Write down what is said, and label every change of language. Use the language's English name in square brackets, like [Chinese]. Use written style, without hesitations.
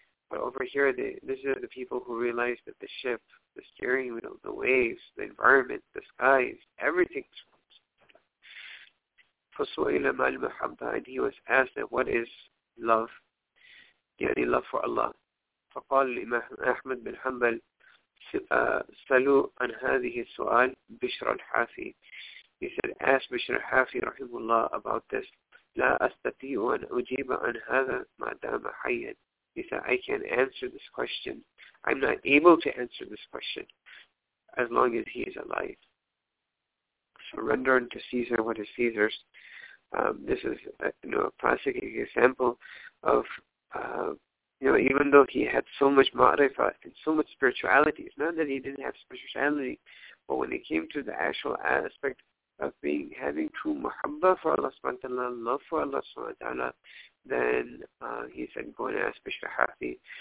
[English] But over here, these are the people who realize that the ship, the steering wheel, the waves, the environment, the skies, everything is from Allah subhanahu wa ta'ala. And he was asked that, what is love? يعني love for Allah. [Arabic] فقال الإمام أحمد بن حنبل سألوا عن هذه السؤال بشر الحافي. [English] He said, ask بشر الحافي رحمه الله about this. [Arabic] لا أستطيع أن أجيب عن هذا ما دام حيا. [English] He said, I can't answer this question. I'm not able to answer this question as long as he is alive. Surrender unto Caesar what is Caesar's. This is a classic example of even though he had so much ma'rifah and so much spirituality, it's not that he didn't have spirituality, but when it came to the actual aspect of having true muhabba for Allah subhanahu wa ta'ala, love for Allah subhanahu wa ta'ala, then he said, go and ask Bishr Hafi.